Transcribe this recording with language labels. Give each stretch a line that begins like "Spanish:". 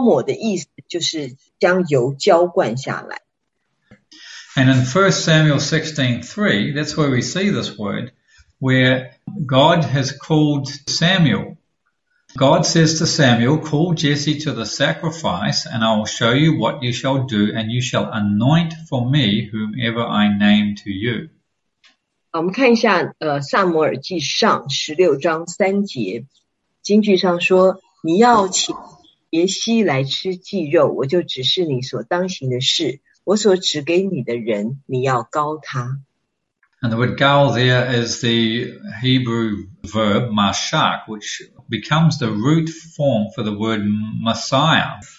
Chinese: 我们先很快的这个复习一下，我们上一次上课的时候，我们有提到了整个所谓的高抹，高抹的意思就是将油浇灌下来。
English: And in 1 Samuel 16:3, that's where we see this word, where God has called Samuel. God says to Samuel, call Jesse to the sacrifice, and I will show you what you shall do, and you shall anoint for me whomever I name to you.
Chinese: 我们看一下撒母耳记上16:3节，经句上说，你要请耶西来吃祭肉，我就指示你所当行的事。
English: And the word gal there is the Hebrew verb mashak, which becomes the root form for the word Messiah.